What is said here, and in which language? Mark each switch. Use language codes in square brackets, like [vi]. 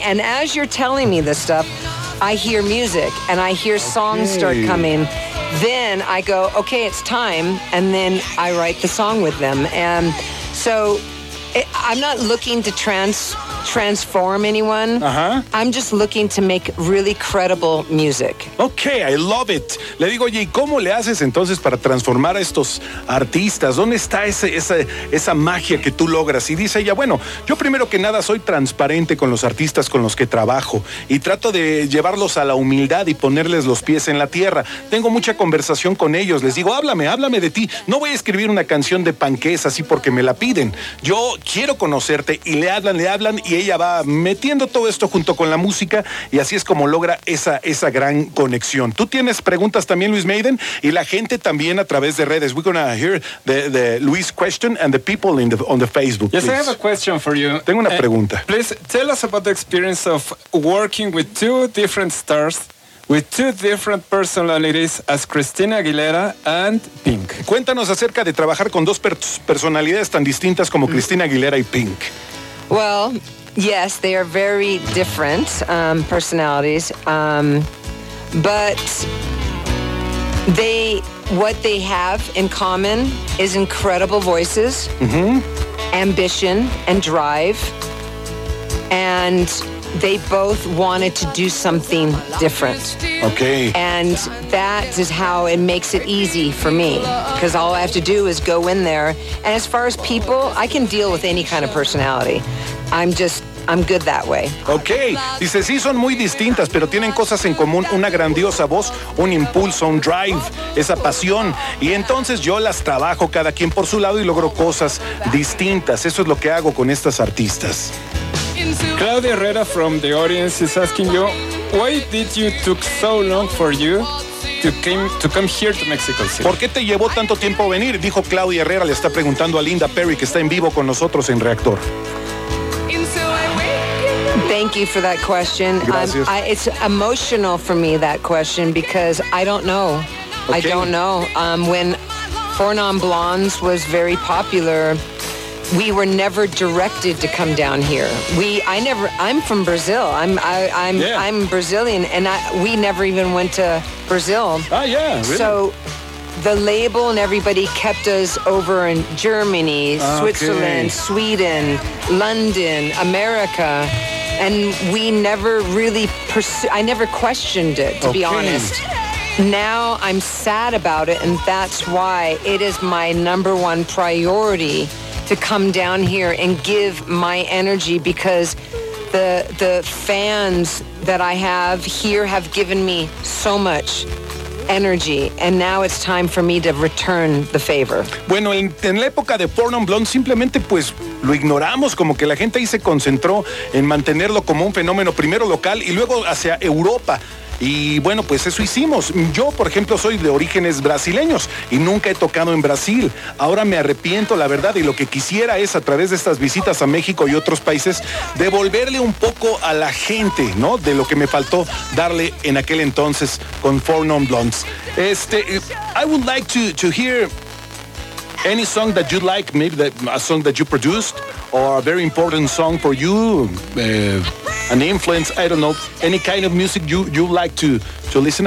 [en] And as you're telling me this stuff, I hear music and I hear songs start coming. Then I go, okay, it's time, and then I write the song with them. And so I'm not looking to transform anyone. I'm just looking to make really credible music. Okay, I love it. [es] Le digo, oye, ¿y cómo le haces entonces para transformar a estos artistas? ¿Dónde está esa magia que tú logras? Y dice ella, bueno, yo primero que nada soy transparente con los artistas con los que trabajo y trato de llevarlos a la humildad y ponerles los pies en la tierra. Tengo mucha conversación con ellos. Les digo, háblame de ti. No voy a escribir una canción de panqués así porque me la piden. Yo quiero conocerte y le hablan y ella va metiendo todo esto junto con la música y así es como logra esa gran conexión. Tú tienes preguntas también, Luis Maiden, y la gente también a través de redes. [en] We're gonna hear the Luis question and the people on the Facebook. Yes, please. I have a question for you. [es] Tengo una pregunta. [en] Please tell us about the experience of working with two different stars, with two different personalities as Christina Aguilera and Pink. [es] Cuéntanos acerca de trabajar con dos personalidades tan distintas como Christina Aguilera y Pink. [en] Well, yes, they are very different personalities, but what they have in common is incredible voices, mm-hmm. ambition and drive, and they both wanted to do something different. Okay. And that is how it makes it easy for me, because all I have to do is go in there. And as far as people, I can deal with any kind of personality. I'm good that way. Okay. [es] Dice, sí, son muy distintas, pero tienen cosas en común. Una grandiosa voz, un impulso, un drive, esa pasión. Y entonces yo las trabajo cada quien por su lado y logro cosas distintas. Eso es lo que hago con estas artistas. [en] Claudia Herrera from the audience is asking you, why did you took so long for you to come here to Mexico City? [es] ¿Por qué te llevó tanto tiempo venir? Dijo Claudia Herrera, le está preguntando a Linda Perry, que está en vivo con nosotros en Reactor. [en] Thank you for that question. [es] Gracias. [en] It's emotional for me, that question, because I don't know. Okay. I don't know. When Four Non Blondes was very popular, we were never directed to come down here. I'm from Brazil. I'm Brazilian, and we never even went to Brazil. Oh, yeah, really? So the label and everybody kept us over in Germany, Switzerland, Sweden, London, America, and we never really I never questioned it, to be honest. Now I'm sad about it, and that's why it is my number one priority to come down here and give my energy, because the fans that I have here have given me so much energy, and now it's time for me to return the favor. [es] Bueno, en la época de Four Non Blondes simplemente pues lo ignoramos, como que la gente ahí se concentró en mantenerlo como un fenómeno primero local y luego hacia Europa. Y bueno, pues eso hicimos. Yo, por ejemplo, soy de orígenes brasileños y nunca he tocado en Brasil. Ahora me arrepiento, la verdad, y lo que quisiera es, a través de estas visitas a México y otros países, devolverle un poco a la gente, ¿no? De lo que me faltó darle en aquel entonces con Four Non Blondes. [en] I would like to hear any song that you like, maybe a song that you produced, or a very important song for you, an influence, I don't know, any kind of music you like to listen.